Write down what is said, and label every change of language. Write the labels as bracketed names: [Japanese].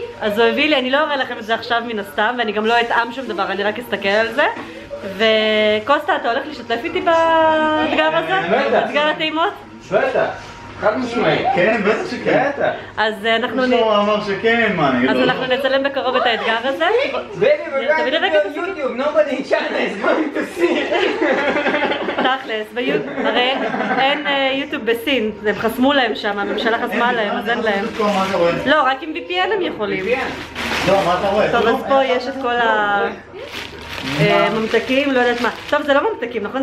[Hebrew] אז הוא הביא לי, אני לא אראה לכם את זה עכשיו מן הסתם, ואני גם לא אטעם שום דבר, אני רק אסתכל על זה. וקוסטה, אתה הולך לשתף איתי באתגר הזה? באתגר הטעימות? באתגר. חד משמעי, כן, בטח שכן. מישהו אמר שכן, מה אני לא... אז אנחנו נצלם בקרוב את האתגר הזה. תביא לי רגע את היוטיוב, [English] nobody in China is going to see. [Hebrew] תכלס, ביוטיוב, הרי אין יוטיוב בסין, הם חסמו להם שם, הממשלה חסמה להם, אז אין להם. לא, רק עם VPN הם יכולים. לא, מה אתה רואה? טוב, אז פה יש את כל ה... ממתקים, לא יודעת מה. טוב, זה לא ממתקים, נכון?